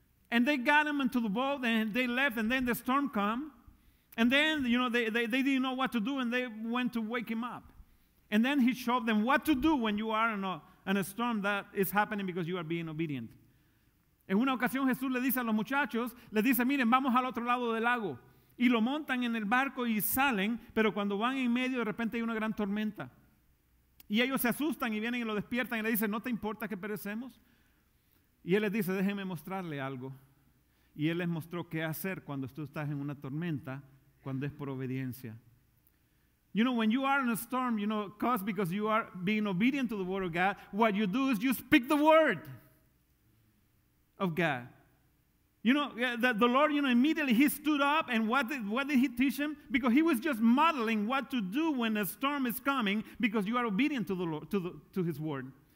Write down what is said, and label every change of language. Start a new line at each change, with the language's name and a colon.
English: And they got him into the boat and they left and then the storm come. And then, you know, they didn't know what to do and they went to wake him up. And then he showed them what to do when you are in a storm that is happening because you are being obedient.
Spanish: En una ocasión Jesús le dice a los muchachos, le dice, miren, vamos al otro lado del lago. Y lo montan en el barco y salen, pero cuando van en medio de repente hay una gran tormenta. Y ellos se asustan y vienen y lo despiertan y le dicen, ¿no te importa que perecemos? Y él les dice, déjenme mostrarle algo. Y él les mostró qué hacer cuando tú estás en una tormenta, cuando es por obediencia.
English: You know, when you are in a storm, you know, caused because you are being obedient to the word of God, what you do is you speak the word of God. You know, the Lord, you know, immediately he stood up and what did he teach him? Because he was just modeling what to do when a storm is coming because you are obedient to the Lord, to his word.